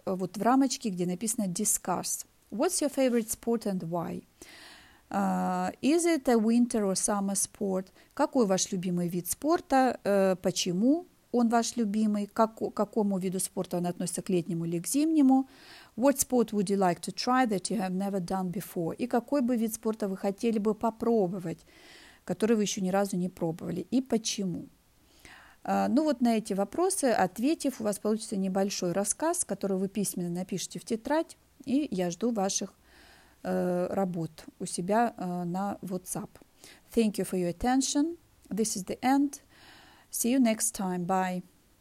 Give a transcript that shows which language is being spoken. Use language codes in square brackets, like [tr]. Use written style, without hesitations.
[ru] Вот в рамочке, где написано discuss. [en] What's your favorite sport and why? Is it a winter or summer sport? [ru] Какой ваш любимый вид спорта? Почему он ваш любимый? К какому виду спорта он относится, к летнему или к зимнему? [en] What sport would you like to try that you have never done before? [ru] И какой бы вид спорта вы хотели бы попробовать, который вы еще ни разу не пробовали? И почему? Ну вот на эти вопросы, ответив, у вас получится небольшой рассказ, который вы письменно напишите в тетрадь, и я жду ваших работ у себя на WhatsApp. [en] Thank you for your attention. This is the end. See you next time. Bye.